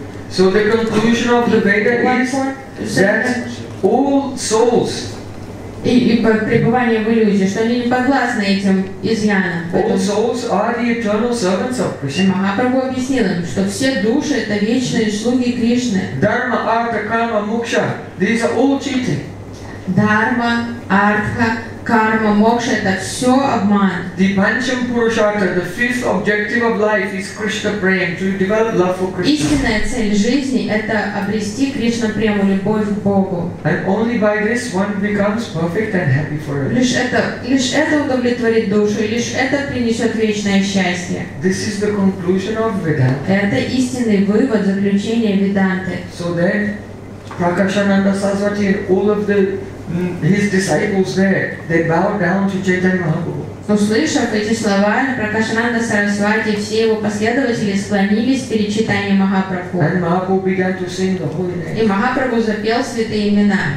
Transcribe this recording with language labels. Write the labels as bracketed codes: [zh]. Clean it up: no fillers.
[en] So the conclusion of the Veda is that all souls [ru] и пребывание в иллюзии, что они не подвластны этим изъянам. [en] All souls are the eternal servants of Krishna. [ru] Махапрабху объяснил им, что все души это вечные слуги Кришны. [en] Dharma, artha, karma, moksha, these are all cheating. [ru] Dharma, artha, karma, moksha, это все обман. [en] The pancham purushartha, the fifth objective of life is Krishna prema, to develop love for Krishna. [ru] Истинная цель жизни это обрести Кришна прему, любовь к Богу. [en] And only by this one becomes perfect and happy forever. [ru] Лишь это удовлетворит душу, и лишь это принесет вечное счастье. [en] This is the conclusion of Vedanta. [ru] Это истинный вывод, заключение Веданты. [en] So then, Prakashananda Saraswati and all of the his disciples there, they bowed down to Chaitanya Mahaprabhu. [ru] Услышав эти слова, Пракашананда Сарасвати и все его последователи склонились перед читанием Махапрабху. [en] And Mahaprabhu began to sing the holy name. [ru] И Махапрабху запел святые имена.